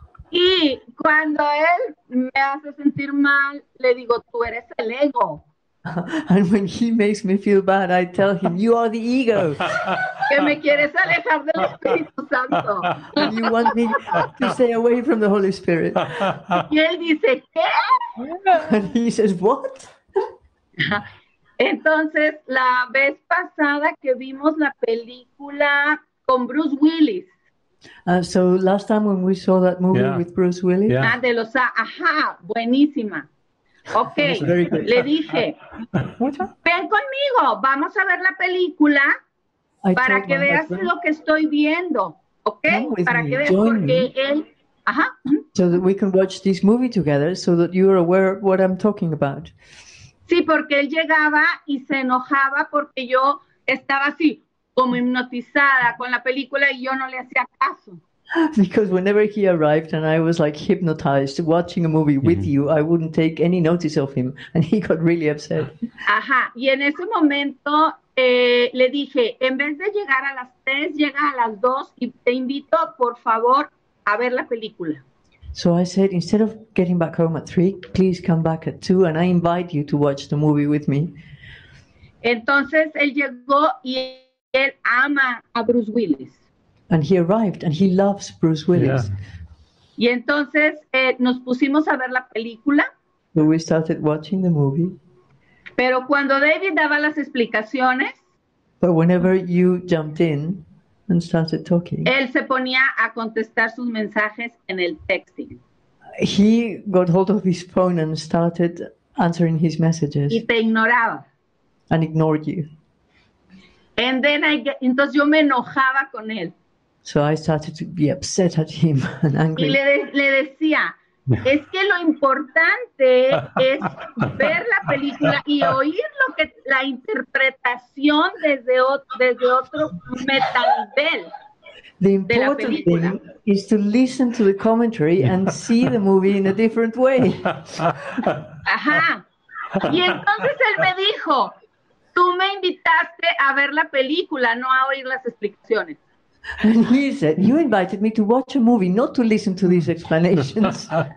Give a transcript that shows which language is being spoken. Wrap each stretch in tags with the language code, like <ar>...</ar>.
<es>Y cuando él me hace sentir mal, le digo, tú eres el ego.</es> <en>And when he makes me feel bad, I tell him, you are the ego.</en> <es>Que me quieres alejar del Espíritu Santo.</es> <en>And you want me to stay away from the Holy Spirit.</en> <es>Y él dice, ¿qué?</es> <en>And he says, what?</en> <es>Entonces, la vez pasada que vimos la película con Bruce Willis.</es> <en>So last time when we saw that movie with Bruce Willis.</en> <es>Yeah. De los buenísima. Okay, le dije, ven conmigo, vamos a ver la película para que veas lo que estoy viendo, ¿okay? Para que veas porque él,</es> <en>So that we can watch this movie together, so that you are aware of what I'm talking about.</en> <es>Sí, porque él llegaba y se enojaba porque yo estaba así como hipnotizada con la película y yo no le hacía caso.</es> <en>Because whenever he arrived and I was like hypnotized watching a movie with you, I wouldn't take any notice of him. And he got really upset. Ajá.</en> <es>Y en ese momento le dije, en vez de llegar a las 3, llega a las 2 y te invito, por favor, a ver la película.</es> <en>So I said, instead of getting back home at 3, please come back at 2 and I invite you to watch the movie with me.</en> <es>Entonces él llegó y él ama a Bruce Willis.</es> <en>And he arrived, and he loves Bruce Willis. Yeah.</en> <es>Y entonces nos pusimos a ver la película.</es> <en>So we started watching the movie.</en> <es>Pero cuando David daba las explicaciones.</es> <en>But whenever you jumped in and started talking.</en> <es>Él se ponía a contestar sus mensajes en el texting.</es> <en>He got hold of his phone and started answering his messages.</en> <es>Y te ignoraba.</es> <en>And ignored you. And then</en> <es>entonces yo me enojaba con él.</es> <en>So I started to be upset at him and angry.</en> <es>Y le decía, es que lo importante es ver la película y oír lo que la interpretación desde otro metanivel.</es> <en>The important thing is to listen to the commentary and see the movie in a different way. Ajá.</en> <es>Y entonces él me dijo, tú me invitaste a ver la película, no a oír las explicaciones.</es> <en>And he said, you invited me to watch a movie, not to listen to these explanations.</en>